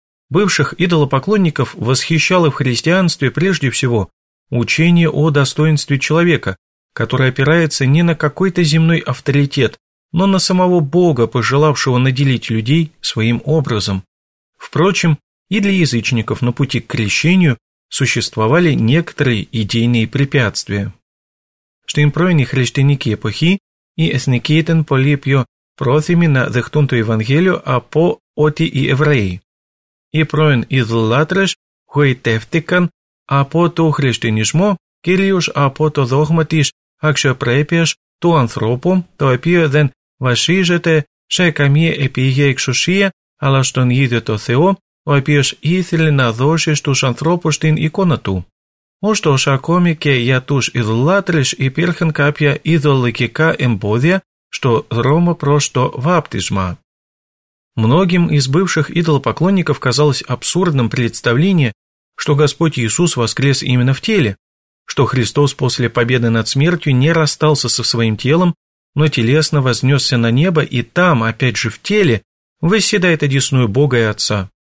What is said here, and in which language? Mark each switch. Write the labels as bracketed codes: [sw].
[ru] Бывших идолопоклонников восхищало в христианстве прежде всего учение о достоинстве человека, которое опирается не на какой-то земной авторитет, но на самого Бога, пожелавшего наделить людей своим образом. Впрочем, и для язычников на пути к крещению существовали некоторые идейные препятствия. [el] Στην πρώινη χριστιανική εποχή, οι εθνικοί ήταν πολύ πιο πρόθυμοι να δεχτούν το Ευαγγέλιο από ότι οι Εβραίοι. Οι πρώην ιδωλάτρες γοητεύτηκαν από το χριστιανισμό, κυρίως από το δόγμα της αξιοπρέπειας του ανθρώπου, το οποίο δεν βασίζεται σε καμία επίγεια εξουσία, αλλά στον ίδιο το Θεό, ο οποίος ήθελε να δώσει στους ανθρώπους την εικόνα του. Ωστόσο, ακόμη και για τους ιδωλάτρες υπήρχαν κάποια ιδεολογικά εμπόδια στο δρόμο προς το βάπτισμα. [ru] Многим из бывших идолопоклонников казалось абсурдным представление, что Господь Иисус воскрес именно в теле, что Христос после победы над смертью не расстался со своим телом, но телесно вознесся на небо и там, опять же в теле, восседает одесную Бога и Отца.